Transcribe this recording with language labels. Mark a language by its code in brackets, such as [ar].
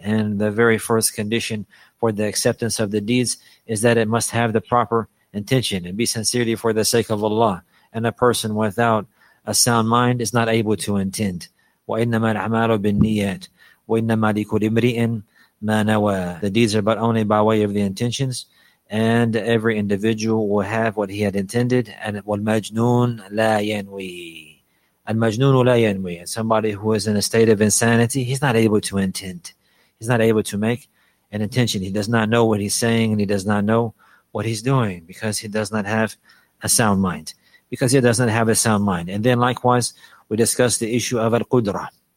[en] And the very first condition for the acceptance of the deeds is that it must have the proper intention and be sincerely for the sake of Allah. And a person without a sound mind is not able to intend. [ar] وَإِنَّمَا الْعَمَالُ بِالنِّيَّةِ وَإِنَّمَا لِكُلِ مْرِئٍ ما نوى. [en] The deeds are but only by way of the intentions, and every individual will have what he had intended. [ar] And والمجنون لا ينوي. المجنون لا ينوي. [en] Somebody who is in a state of insanity, he's not able to intend. He's not able to make an intention. He does not know what he's saying, and he does not know what he's doing, because he does not have a sound mind. Because he does not have a sound mind. And then likewise, we discuss the issue of al-qudra.